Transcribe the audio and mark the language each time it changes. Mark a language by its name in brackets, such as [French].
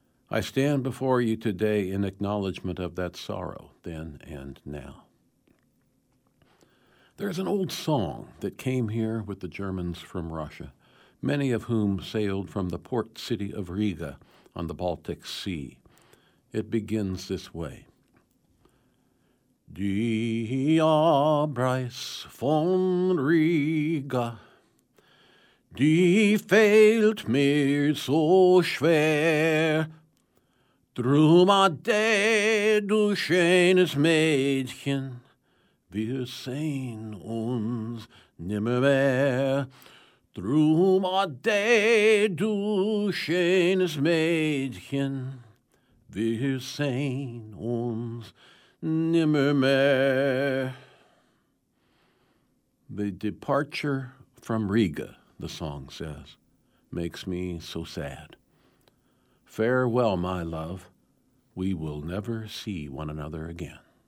[English] I stand before you today in acknowledgement of that sorrow then and now. There's an old song that came here with the Germans from Russia, many of whom sailed from the port city of Riga on the Baltic Sea. It begins this way. [German] Die Abreis von Riga, die fällt mir so schwer, drum ade, du schönes Mädchen, wir sehen uns nimmermehr. Drum ade, du schönes Mädchen, wir sehen uns nimmermehr. [English] The departure from Riga, the song says, makes me so sad. Farewell, my love, we will never see one another again.